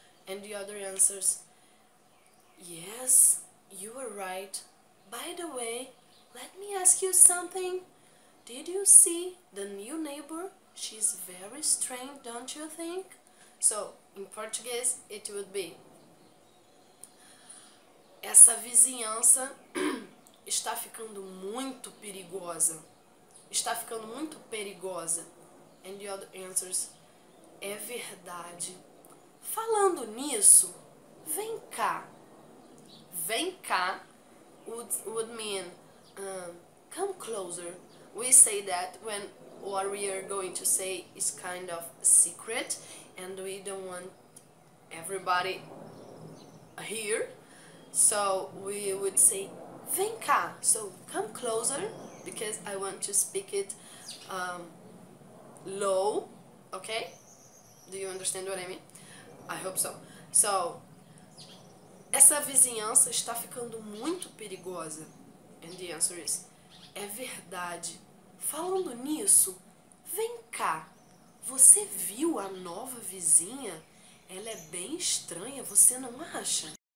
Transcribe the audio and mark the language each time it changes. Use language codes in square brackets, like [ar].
[en] And the other answers, "Yes, you are right. By the way, let me ask you something. Did you see the new neighbor? She's very strange, don't you think?" So, in Portuguese, it would be, [pt] "Essa vizinhança está ficando muito perigosa. Está ficando muito perigosa." [en] And the other answers, [pt] "É verdade. Falando nisso, vem cá." Vem cá [en] would mean come closer. We say that when what we are going to say is kind of a secret and we don't want everybody here. So we would say, [pt] "Vem cá." [en] So come closer because I want to speak it low. Okay? Do you understand what I mean? I hope so. [pt] So, essa vizinhança está ficando muito perigosa. [en] And the answer is, [pt] "É verdade. Falando nisso, vem cá. Você viu a nova vizinha? Ela é bem estranha, você não acha?